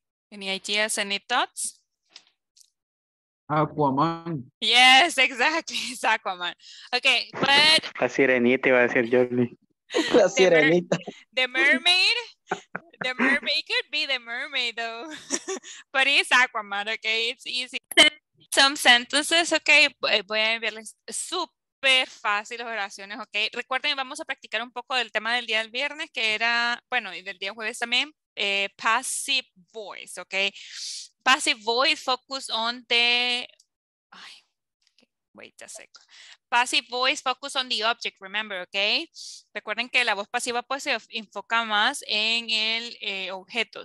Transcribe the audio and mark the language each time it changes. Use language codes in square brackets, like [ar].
[en] Any ideas, any thoughts? Aquaman. Yes, exactly, it's Aquaman. Okay, but... [es] La sirenita iba a decir Jordi. La sirenita. [en] The mermaid, it could be the mermaid though. But it's Aquaman, okay, it's easy. Some sentences, [es] okay, voy a enviarles súper fácil las oraciones, okay. Recuerden, vamos a practicar un poco del tema del día del viernes, que era, bueno, y del día jueves también, passive voice, okay. [en] Passive voice focus on the, wait a second. Passive voice focus on the object, remember, okay. [es] Recuerden que la voz pasiva pues se enfoca más en el objeto.